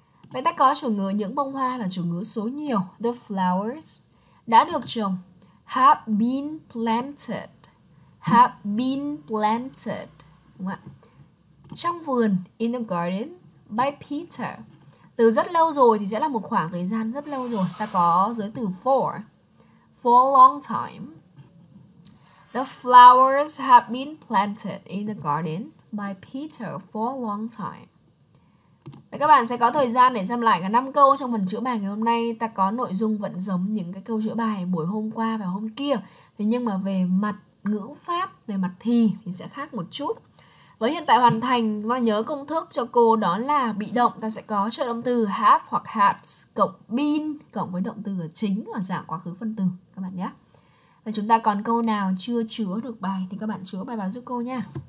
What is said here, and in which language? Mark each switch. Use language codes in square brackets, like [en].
[vi] Vậy ta có chủ ngữ những bông hoa là chủ ngữ số nhiều, [en] the flowers, [vi] đã được trồng, [en] have been planted, have been planted, [vi] đúng không ạ? Trong vườn, [en] in the garden, by Peter, [vi] từ rất lâu rồi thì sẽ là một khoảng thời gian rất lâu rồi, ta có giới từ [en] for a long time. The flowers have been planted in the garden by Peter for a long time. [vi] Vậy các bạn sẽ có thời gian để xem lại cả 5 câu trong phần chữa bài ngày hôm nay. Ta có nội dung vẫn giống những cái câu chữa bài buổi hôm qua và hôm kia. Thế nhưng mà về mặt ngữ pháp, về mặt thì sẽ khác một chút. Với hiện tại hoàn thành, và nhớ công thức cho cô đó là bị động, ta sẽ có trợ động từ have hoặc had cộng been cộng với động từ chính ở dạng quá khứ phân từ các bạn nhé. Và chúng ta còn câu nào chưa chứa được bài thì các bạn chứa bài vào giúp cô nha.